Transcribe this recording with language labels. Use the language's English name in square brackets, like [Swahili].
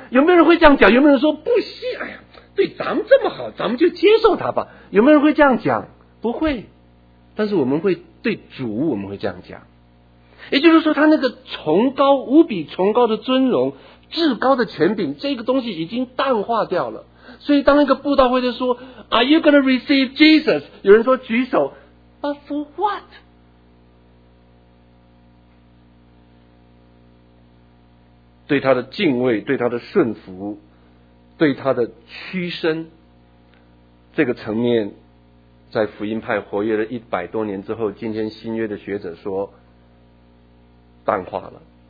[Chinese] 有没有人会这样讲？有没有人说不惜，哎呀，对咱们这么好，咱们就接受他吧？有没有人会这样讲？不会。但是我们会对主，我们会这样讲。也就是说，他那个崇高，无比崇高的尊荣，至高的权柄，这个东西已经淡化掉了。所以当一个布道会就说 [English] Are you going to receive Jesus? [Chinese] 有人说举手， [English] But for what? [Chinese] 对他的敬畏，对他的顺服，对他的屈身，这个层面在福音派活跃了一百多年之后，今天新约的学者说淡化了。